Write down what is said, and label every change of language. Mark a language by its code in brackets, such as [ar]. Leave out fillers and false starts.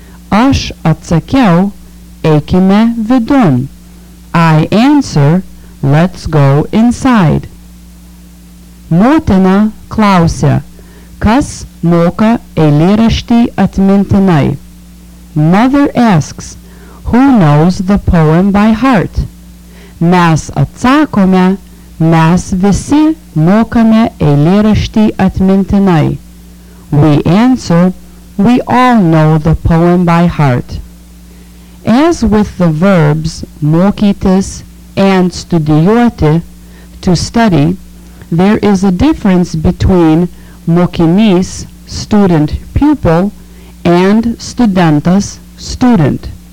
[lt] Aš atsakiau, eikime vidun. [en] I answer, let's go inside. [lt] Motina klausia, kas moka eilėraštį atmintinai? [en] Mother asks, who knows the poem by heart? [lt] Mes atsakome, mes visi mokame eilėraštį atmintinai. [en] We answer, we all know the poem by heart. As with the verbs mokytis and studijuoti, to study, there is a difference between mokinys, student pupil, and studentas, student.